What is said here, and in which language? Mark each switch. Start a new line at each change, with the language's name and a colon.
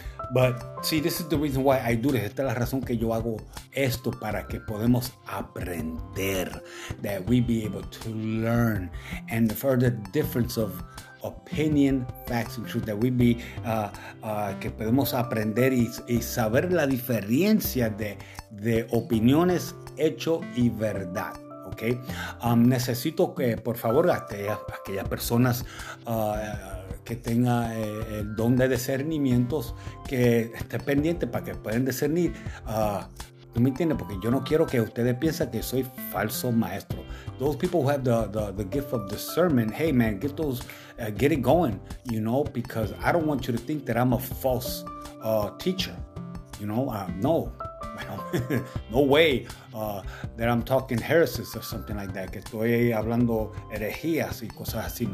English: But see, this is the reason why I do this.
Spanish: Esta es la razón que yo hago esto, para que podemos aprender.
English: That we be able to learn. And the further difference of opinion, facts, and truth, that we be
Spanish: que podemos aprender y saber la diferencia de opiniones, hecho y verdad. Okay, necesito que por favor aquellas personas que tenga el don de discernimientos, que esté pendiente para que puedan discernir. ¿Tú me entiendes? Porque yo no quiero que ustedes piensen que soy falso maestro.
English: Those people who have the gift of discernment, hey man, get those, get it going, you know, because I don't want you to think that I'm a false teacher, you know. No, no way that I'm talking heresies or something like that,
Spanish: que estoy hablando herejías y cosas así.